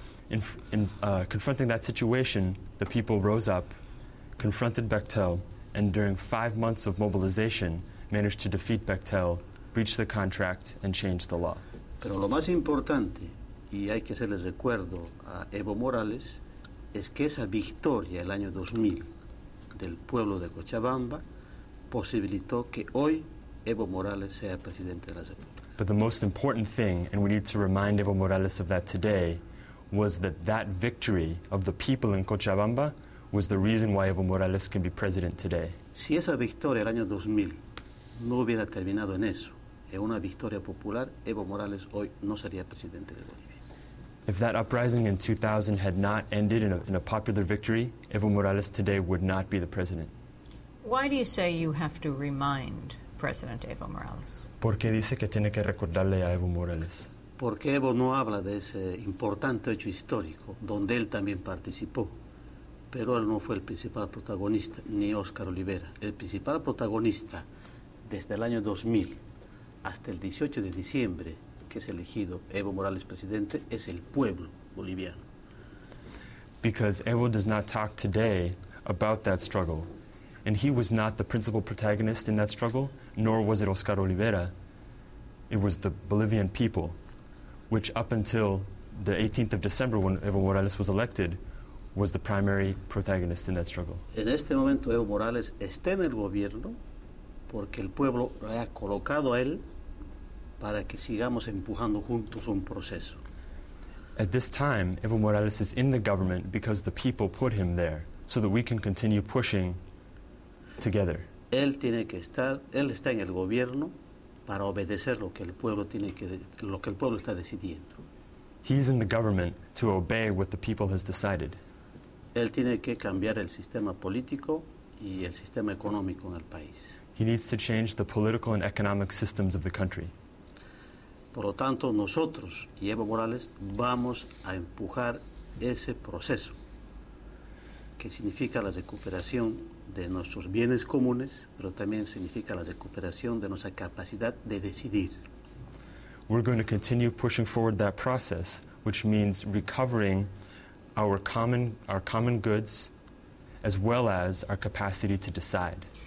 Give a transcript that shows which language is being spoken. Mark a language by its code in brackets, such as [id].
[en] In confronting that situation, the people rose up, confronted Bechtel, and during 5 months of mobilization, managed to defeat Bechtel, breach the contract, and change the law. [es] Pero lo más importante, y hay que hacerles recuerdo a Evo Morales, es que esa victoria el año 2000 del pueblo de Cochabamba posibilitó que hoy Evo Morales sea presidente de la República. [en] But the most important thing, and we need to remind Evo Morales of that today, was that that victory of the people in Cochabamba was the reason why Evo Morales can be president today. [es] Si esa victoria el año 2000 no hubiera terminado en eso, en una victoria popular, Evo Morales hoy no sería presidente de Bolivia. [en] If that uprising in 2000 had not ended in a popular victory, Evo Morales today would not be the president. Why do you say you have to remind President Evo Morales? [es] ¿Por qué dice que tiene que recordarle a Evo Morales? Porque Evo no habla de ese importante hecho histórico donde él también participó. Pero él no fue el principal protagonista, ni Oscar Olivera. El principal protagonista, desde el año 2000 hasta el 18 de diciembre, que es elegido Evo Morales presidente, es el pueblo boliviano. [en] Because Evo does not talk today about that struggle. And he was not the principal protagonist in that struggle, nor was it Oscar Olivera. It was the Bolivian people, which up until the 18th of December, when Evo Morales was elected, was the primary protagonist in that struggle. [es] En este momento Evo Morales está en el gobierno porque el pueblo le ha colocado a él para que sigamos empujando juntos un proceso. [en] At this time, Evo Morales is in the government because the people put him there. so that we can continue pushing together. [es] Él tiene que estar, él está en el gobierno para obedecer lo que el pueblo tiene que, lo que el pueblo está decidiendo. [en] He is in the government to obey what the people has decided. [es] Él tiene que cambiar el sistema político y el sistema económico en el país. [en] He needs to change the political and economic systems of the country. [es] Por lo tanto, nosotros y Evo Morales vamos a empujar ese proceso que significa la recuperación de nuestros bienes comunes, pero también significa la recuperación de nuestra capacidad de decidir. [en] We're going to continue pushing forward that process, which means recovering our common goods as well as our capacity to decide.